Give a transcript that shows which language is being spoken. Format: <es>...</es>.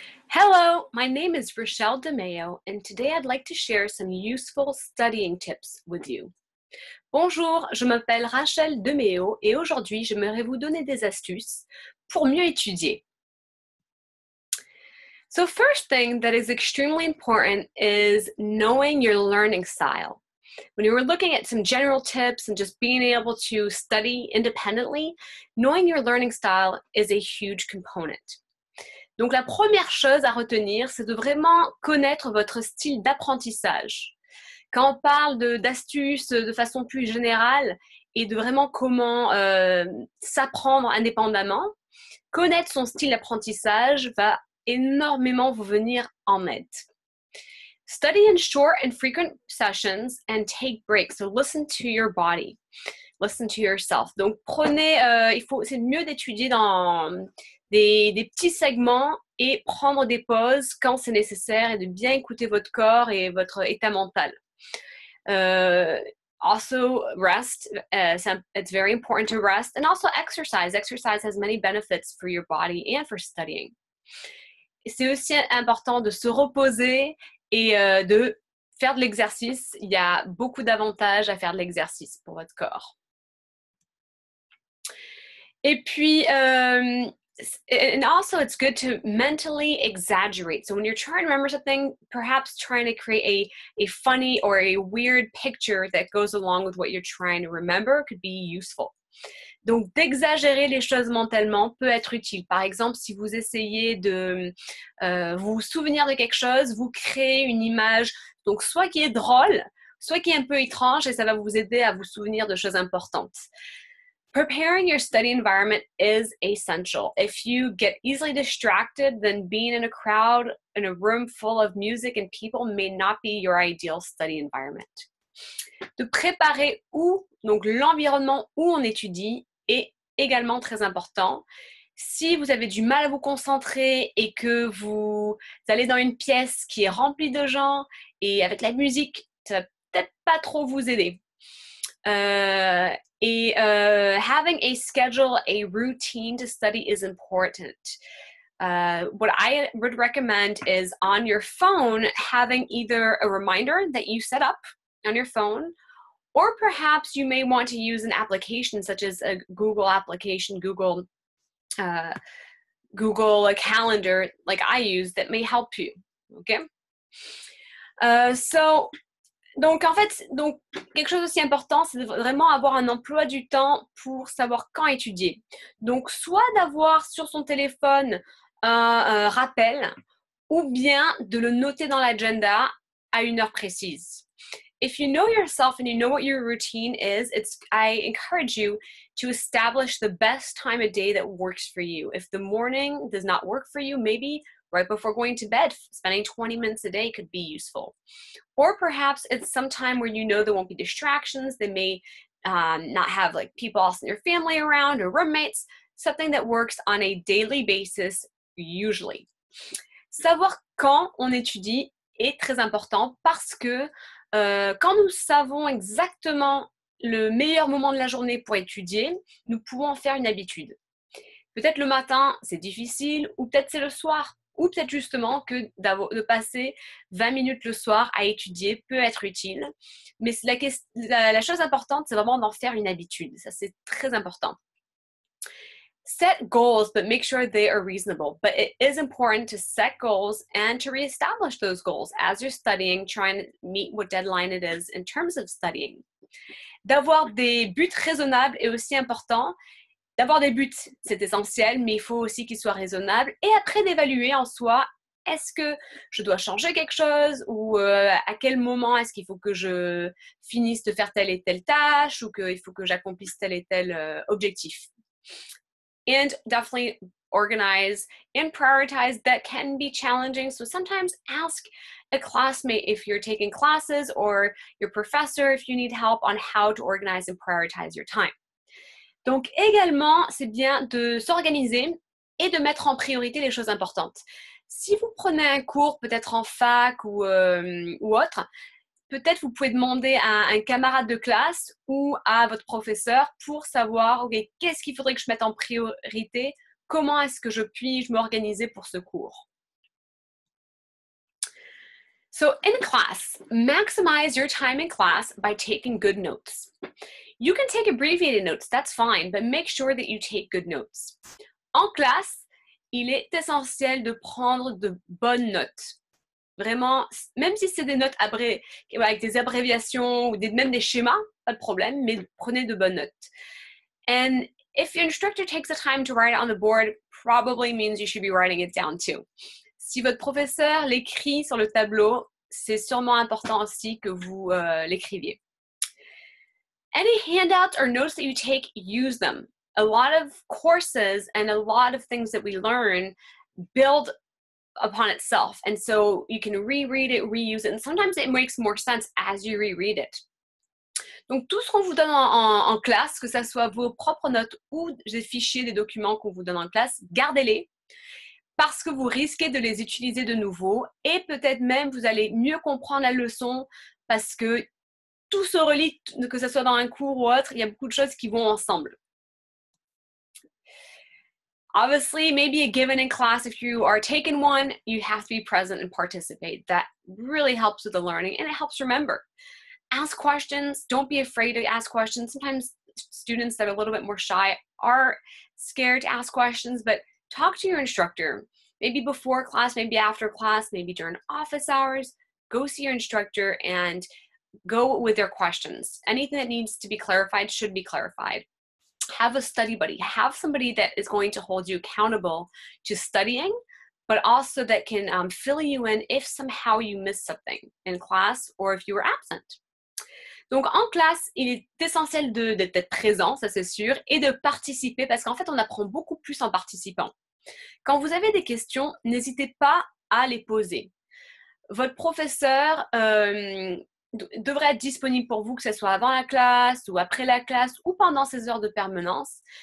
<en>Hello, my name is Rachele DeMeo, and today I'd like to share some useful studying tips with you.</en> <fr>Bonjour, je m'appelle Rachele DeMeo, et aujourd'hui, j'aimerais vous donner des astuces pour mieux étudier.</fr> <en>So first thing that is extremely important is knowing your learning style. When you were looking at some general tips and just being able to study independently, knowing your learning style is a huge component.</en> <fr>Donc la première chose à retenir, c'est de vraiment connaître votre style d'apprentissage. Quand on parle d'astuces de façon plus générale et de vraiment comment s'apprendre indépendamment, connaître son style d'apprentissage va énormément vous venir en aide.</fr> <en>Study in short and frequent sessions and take breaks. So listen to your body. Listen to yourself.</en> <fr>Donc prenez, c'est mieux d'étudier dans des petits segments et prendre des pauses quand c'est nécessaire et de bien écouter votre corps et votre état mental.</fr> <en>Also, rest. It's very important to rest. And also exercise. Exercise has many benefits for your body and for studying.</en> <fr>C'est aussi important de se reposer et de faire de l'exercice. Il y a beaucoup d'avantages à faire de l'exercice pour votre corps. Et puis,</fr> <en>and also it's good to mentally exaggerate. So when you're trying to remember something, perhaps trying to create a funny or a weird picture that goes along with what you're trying to remember could be useful.</en> <fr>Donc, d'exagérer les choses mentalement peut être utile. Par exemple, si vous essayez de vous souvenir de quelque chose, vous créez une image, donc soit qui est drôle, soit qui est un peu étrange, et ça va vous aider à vous souvenir de choses importantes.</fr> <en>Preparing your study environment is essential. If you get easily distracted, then being in a crowd, in a room full of music and people may not be your ideal study environment.</en> <fr>De préparer où, donc l'environnement où on étudie, est également très important. Si vous avez du mal à vous concentrer et que vous allez dans une pièce qui est remplie de gens et avec la musique, ça va peut-être pas trop vous aider.</fr> <en>Having a schedule, a routine to study is important. What I would recommend is on your phone, having either a reminder that you set up on your phone, or perhaps you may want to use an application such as a Google application, Google a calendar like I use that may help you. Okay.</en> <fr>Donc, quelque chose d'aussi important, c'est de vraiment avoir un emploi du temps pour savoir quand étudier. Donc, soit d'avoir sur son téléphone un rappel, ou bien de le noter dans l'agenda à une heure précise.</fr> <en>If you know yourself and you know what your routine is, I encourage you to establish the best time of day that works for you. If the morning does not work for you, maybe right before going to bed, spending 20 minutes a day could be useful. Or perhaps it's some time where you know there won't be distractions, they may not have like people else in your family around or roommates, something that works on a daily basis usually.</en> <fr>Savoir quand on étudie est très important parce que quand nous savons exactement le meilleur moment de la journée pour étudier, nous pouvons en faire une habitude. Peut-être le matin, c'est difficile, ou peut-être c'est le soir. Ou peut-être justement que de passer 20 minutes le soir à étudier peut être utile. Mais la chose importante, c'est vraiment d'en faire une habitude. Ça, c'est très important.</fr> <en>Set goals, but make sure they are reasonable. But it is important to set goals and to reestablish those goals as you're studying, trying to meet what deadline it is in terms of studying.</en> <fr>D'avoir des buts raisonnables est aussi important. D'avoir des buts, c'est essentiel, mais il faut aussi qu'ils soient raisonnables. Et après, d'évaluer en soi, est-ce que je dois changer quelque chose ou à quel moment est-ce qu'il faut que je finisse de faire telle et telle tâche ou qu'il faut que j'accomplisse tel et tel objectif.</fr> <en>And definitely organize and prioritize. That can be challenging. So sometimes ask a classmate if you're taking classes or your professor if you need help on how to organize and prioritize your time.</en> <fr>Donc également, c'est bien de s'organiser et de mettre en priorité les choses importantes. Si vous prenez un cours, peut-être en fac ou autre, peut-être vous pouvez demander à un camarade de classe ou à votre professeur pour savoir, OK, qu'est-ce qu'il faudrait que je mette en priorité? Comment est-ce que je puis m'organiser pour ce cours?</fr> <en>So in class, maximize your time in class by taking good notes. You can take abbreviated notes, that's fine, but make sure that you take good notes.</en> <fr>En classe, il est essentiel de prendre de bonnes notes. Vraiment, même si c'est des notes avec des abréviations ou même des schémas, pas de problème, mais prenez de bonnes notes.</fr> <en>And if your instructor takes the time to write it on the board, probably means you should be writing it down too.</en> <fr>Si votre professeur l'écrit sur le tableau, c'est sûrement important aussi que vous l'écriviez.</fr> <en>Any handouts or notes that you take, use them. A lot of courses and a lot of things that we learn build upon itself. And so you can reread it, reuse it, and sometimes it makes more sense as you reread it.</en> <fr>Donc tout ce qu'on vous donne en classe, que ce soit vos propres notes ou des fichiers, des documents qu'on vous donne en classe, gardez-les parce que vous risquez de les utiliser de nouveau et peut-être même vous allez mieux comprendre la leçon parce que tout se relie, que ce soit dans un cours ou autre, il y a beaucoup de choses qui vont ensemble.</fr> <en>Obviously, maybe a given in class, if you are taking one, you have to be present and participate. That really helps with the learning and it helps remember. Ask questions. Don't be afraid to ask questions. Sometimes students that are a little bit more shy are scared to ask questions, but talk to your instructor. Maybe before class, maybe after class, maybe during office hours. Go see your instructor and go with their questions. Anything that needs to be clarified should be clarified. Have a study buddy. Have somebody that is going to hold you accountable to studying, but also that can fill you in if somehow you miss something in class or if you were absent.</en> <fr>Donc, en classe, il est essentiel d'être présent, ça c'est sûr, et de participer parce qu'en fait, on apprend beaucoup plus en participant. Quand vous avez des questions, n'hésitez pas à les poser. Votre professeur devrait être disponible pour vous, que ce soit avant la classe ou après la classe ou pendant ses heures de permanence.</fr>